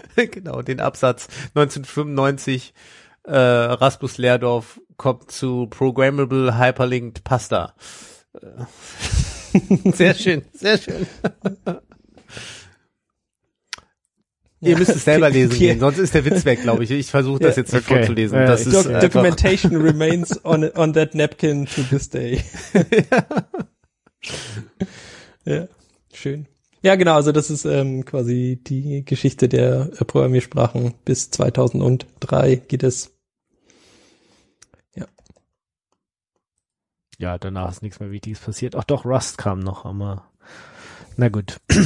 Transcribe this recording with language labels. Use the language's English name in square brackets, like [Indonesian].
[German] genau, den Absatz 1995 Rasmus Lehrdorf kommt zu Programmable Hyperlinked Pasta. Sehr schön, sehr schön. Ihr müsst es selber lesen gehen, sonst ist der Witz weg, glaube ich. Ich versuche das jetzt okay. vorzulesen. Das ist [English] Documentation remains on that napkin to this day. [German] Ja. Ja, schön. Ja, genau, also das ist quasi die Geschichte der Programmiersprachen. Bis 2003 geht es. Ja, danach ist nichts mehr Wichtiges passiert. Ach doch, Rust kam noch, aber na gut.